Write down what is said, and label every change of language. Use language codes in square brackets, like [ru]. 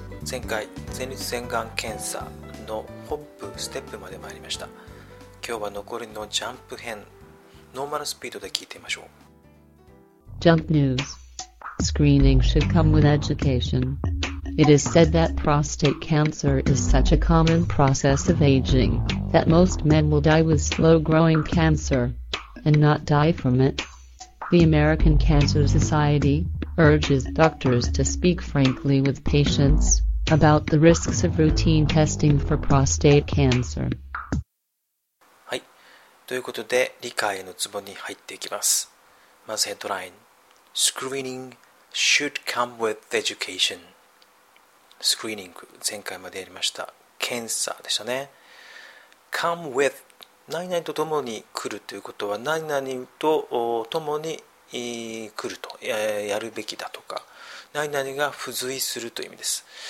[ja] 前回前立腺がん検査のホップステップまで参りました。今日は残りのジャンプ編、ノーマルスピードで聞いてみましょう。 [en] Jump news. Screening should come with education. It is said that prostate cancer is such a common process of aging that most men will die with slow growing cancer and not die from it. The American Cancer Society urges doctors to speak frankly with patients about the risks of routine testing for prostate cancer. [ja] はい、ということで理解のツボに入っていきます。まずヘッドライン。 [en] Screening should come with education. [ja] Screening 前回までやりました。検査でしたね。 Come with 何々とともに来るということは何々とともに来ると やるべきだとか何々が付随するという意味です。